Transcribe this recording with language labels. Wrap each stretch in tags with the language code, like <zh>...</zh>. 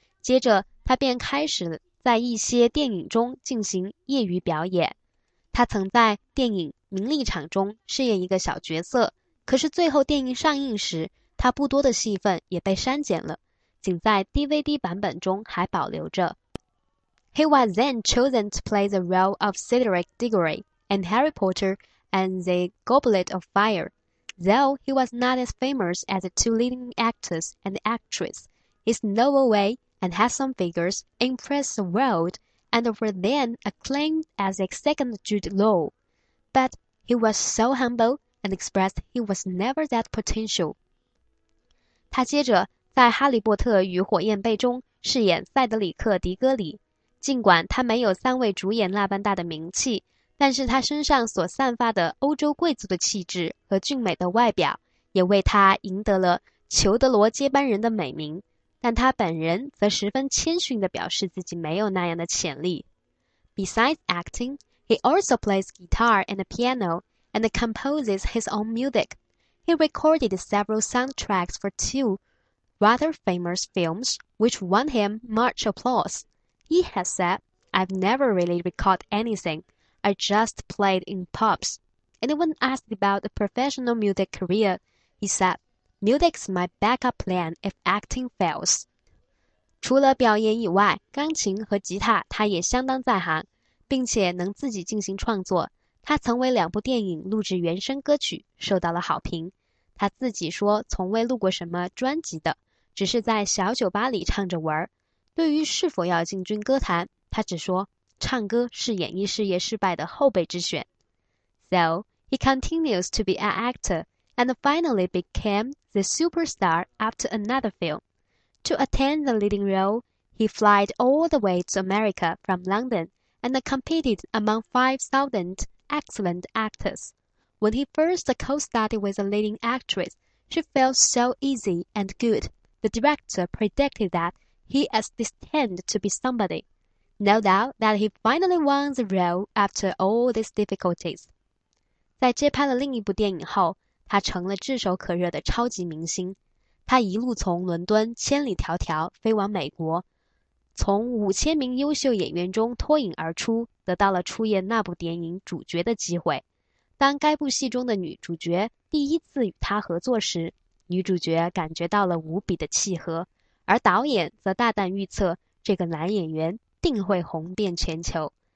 <zh>接着，他便开始在一些电影中进行业余表演。他曾在电影《名利场》中饰演一个小角色，可是最后电影上映时，他不多的戏份也被删减了，仅在 DVD 版本中还保留着。</zh> <en>He was then chosen to play the role of Cedric Diggory and Harry Potter. And the Goblet of Fire. Though he was not as famous as the two leading actors and actresses, his noble way and handsome figures impressed the world and were then acclaimed as the second Jude Law. But he was so humble and expressed he was never that potential.</en> <zh>他接着在《哈利波特与火焰杯》中饰演塞德里克·迪戈里，尽管他没有三位主演那般大的名气。但是他身上所散发的欧洲贵族的气质和俊美的外表也为他赢得了裘德罗接班人的美名，但他本人则十分谦逊地表示自己没有那样的潜力。</zh> <en>Besides acting, he also plays guitar and piano and composes his own music. He recorded several soundtracks for two rather famous films which won him much applause. He has said, I've never really recorded anything. I just played in pubs. Anyone asked about a professional music career, he said, music's my backup plan if acting fails.</en> <zh>除了表演以外，钢琴和吉他他也相当在行，并且能自己进行创作。他曾为两部电影录制原声歌曲，受到了好评。他自己说从未录过什么专辑的，只是在小酒吧里唱着玩。对于是否要进军歌坛，他只说唱歌是演艺事业失败的后备之选。</zh> <en>So, he continues to be an actor and finally became the superstar after another film. To attend the leading role, he flied all the way to America from London and competed among 5,000 excellent actors. When he first co-starred with a leading actress, she felt so easy and good. The director predicted that he is destined to be somebody. No doubt that he finally won the role after all these difficulties.</en> <zh>在接拍了另一部电影后，他成了炙手可热的超级明星。他一路从伦敦千里迢迢飞往美国，从5000名优秀演员中脱颖而出，得到了出演那部电影主角的机会。当该部戏中的女主角第一次与他合作时，女主角感觉到了无比的契合，而导演则大胆预测这个男演员定会红遍全球。</zh>